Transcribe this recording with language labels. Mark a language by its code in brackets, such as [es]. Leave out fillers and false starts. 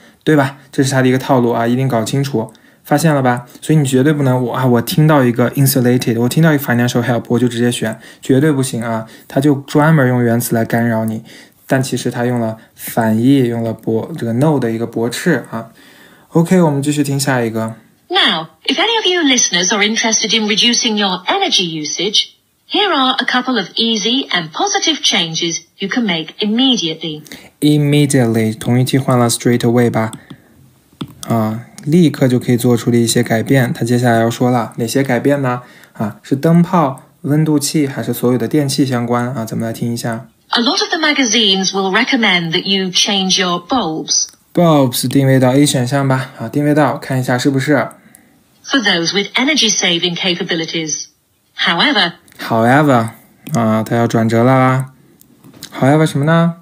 [zh] 对吧这是他的一个套路啊一定搞清楚发现了吧所以你绝对不能我听到一个 insulated, 我听到一个 financial help, 我就直接选绝对不行啊他就专门用原词来干扰你但其实他用了反义用了这个 no 的一个驳斥啊。 OK, 我们继续听下一个。 [en] Now, if any of you listeners are interested in reducing your energy usage, here are a couple of easy and positive changes you can make immediately. [zh] Immediately, 同一替换了 [en] straight away [zh] 吧。立刻就可以做出的一些改变他接下来要说了哪些改变呢是灯泡温度器还是所有的电器相关咱们来听一下。 [en] A lot of the magazines will recommend that you change your bulbs. [zh] Bulbs 定位到 A 选项吧定位到看一下是不是 [en] For those with energy saving capabilities [zh] However 它要转折了 However 什么呢